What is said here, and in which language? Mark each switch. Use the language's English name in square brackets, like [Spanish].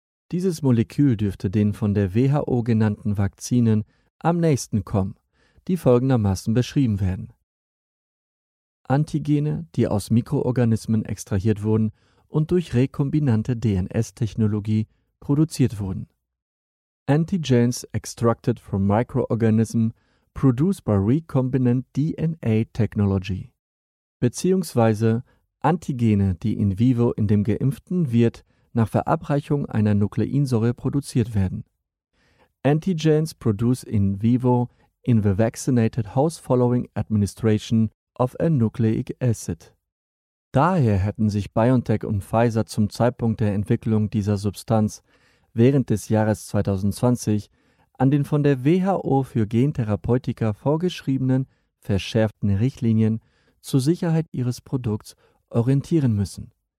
[German] Dieses Molekül dürfte den von der WHO genannten Vakzinen am nächsten kommen, die folgendermaßen beschrieben werden. Antigene, die aus Mikroorganismen extrahiert wurden und durch rekombinante DNS-Technologie produziert wurden. [English] Antigens extracted from microorganism produced by recombinant DNA technology. [German] Beziehungsweise Antigene, die in vivo in dem geimpften Wirt nach Verabreichung einer Nukleinsäure produziert werden. [English] Antigens produced in vivo in the vaccinated host following administration of a nucleic acid. [German] Daher hätten sich BioNTech und Pfizer zum Zeitpunkt der Entwicklung dieser Substanz während des Jahres 2020 an den von der WHO für Gentherapeutika vorgeschriebenen verschärften Richtlinien zur Sicherheit ihres Produkts orientieren müssen.